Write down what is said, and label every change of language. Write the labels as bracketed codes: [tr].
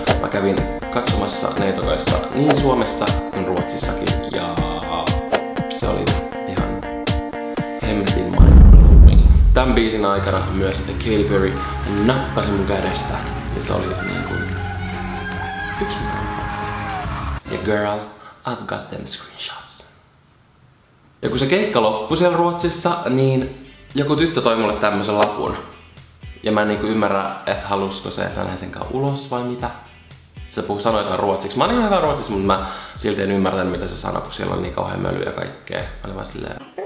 [fi] Mä kävin katsomassa neitokaista niin Suomessa kuin Ruotsissakin. Ja se oli ihan hemmetin mind-blowing. Tämän biisin aikana myös Katy Perry nappasi mun kädestä. Ja se oli niin kuin yksi mun. [en] Ja girl, I've got them screenshots. [fi] Ja kun se keikka loppui siellä Ruotsissa, niin joku tyttö toi mulle tämmösen lapun. Ja mä en niinku ymmärrä, että halusko se nähdä sen kanssa ulos vai mitä. Se puhuu sanoitaan ruotsiksi. Mä olin ihan hyvä ruotsiksi, mutta mä silti en ymmärrä, mitä se sanoo, kun siellä on niin kauhean möly ja kaikkea. Mä olin vaan silleen.